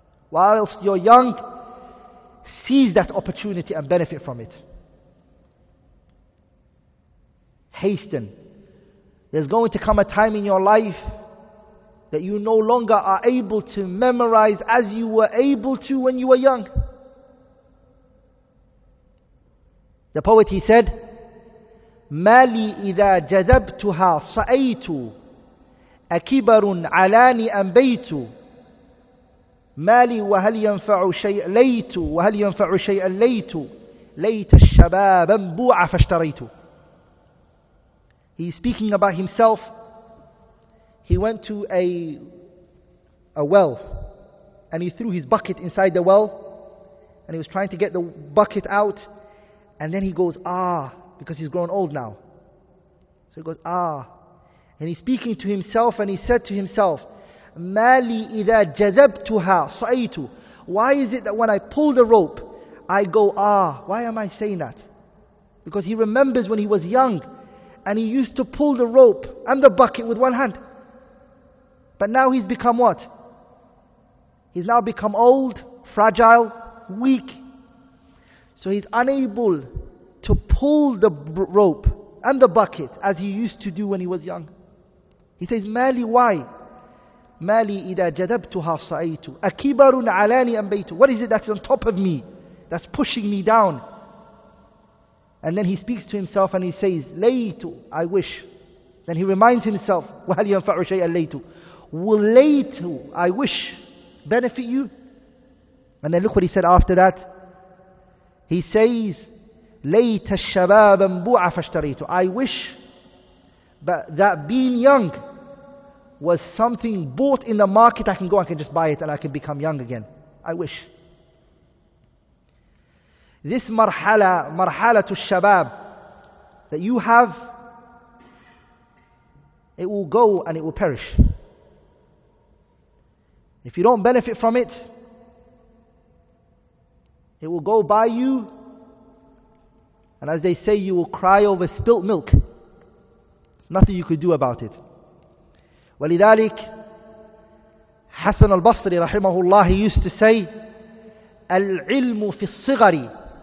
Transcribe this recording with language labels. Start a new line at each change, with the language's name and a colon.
English: Whilst you're young, seize that opportunity and benefit from it. Hasten. There's going to come a time in your life that you no longer are able to memorize as you were able to when you were young. The poet, he said,
Arabic: مالي إذا جذبتها صأيت أكبر علاني أم بيت مالي وهل ينفع شيء ليت وهل ينفع شيء ليت ليت الشباب انبوع فاشتريت.
English: He's speaking about himself. He went to a well, and he threw his bucket inside the well, and he was trying to get the bucket out, and then he goes, ah, because he's grown old now. So he goes, ah. And he's speaking to himself, and he said to himself,
Arabic: مالي إذا جذبتها صأيت.
English: Why is it that when I pull the rope, I go, ah? Why am I saying that? Because he remembers when he was young, and he used to pull the rope and the bucket with one hand. But now he's become what? He's now become old, fragile, weak. So he's unable to pull the rope and the bucket as he used to do when he was young. He says, مالي, why?
Arabic: مالي إذا جذبتها صأيت أكبر علاني أم بيت.
English: What is it that's on top of me, that's pushing me down? And then he speaks to himself and he says, ليت, I wish. Then he reminds himself,
Arabic: وهل ينفع شيئا ليت.
English: Will ليت, I wish, benefit you? And then look what he said after that. He says,
Arabic: ليت الشباب انبوع فاشتريت.
English: I wish that being young was something bought in the market. I can go, I can just buy it, and I can become young again. I wish. This marhala, marhalatul shabab, that you have, it will go and it will perish. If you don't benefit from it, it will go by you, and as they say, you will cry over spilt milk. There's nothing you could do about it.
Arabic: ولذلك حسن البصري رحمه الله
English: used to say,
Arabic: العلم في الصغر.